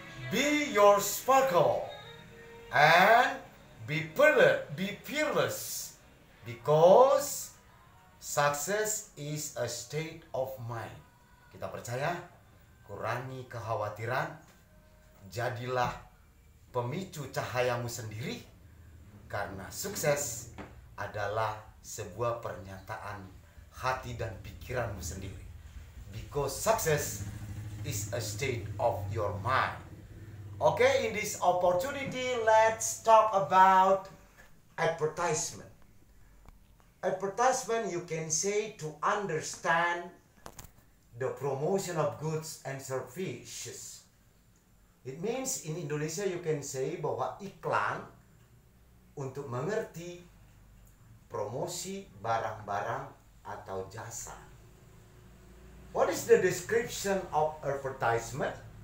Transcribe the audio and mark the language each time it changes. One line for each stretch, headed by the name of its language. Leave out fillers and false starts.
English: Be your sparkle and be fearless because success is a state of mind.
Indonesian: Kita percaya, kurangi kekhawatiran, jadilah pemicu cahayamu sendiri karena sukses adalah sebuah pernyataan hati dan pikiranmu sendiri.
English: Because success is a state of your mind. Okay, in this opportunity, let's talk about advertisement. Advertisement, you can say to understand the promotion of goods and services. It means in Indonesia you can say
Indonesian: bahwa iklan untuk mengerti promosi barang-barang atau jasa.
English: What is the description of advertisement?